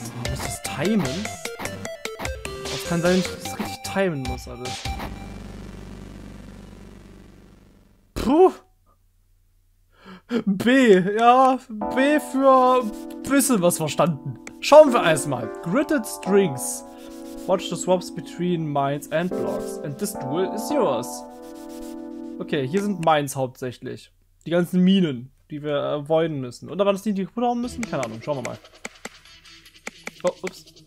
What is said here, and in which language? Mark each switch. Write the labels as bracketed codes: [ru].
[de] Muss das timen? Das kann sein, dass ich das richtig timen muss, alles. Puh. B. Ja, B für bisschen was verstanden. Schauen wir erstmal. Gritted Strings. [en] Watch the swaps between mines and blocks. And this duel is yours. [de] Okay, hier sind mines hauptsächlich. Die ganzen Minen, die wir avoiden müssen. Oder waren das die kaputt hauen müssen? Keine Ahnung. Schauen wir mal. Oh, ups.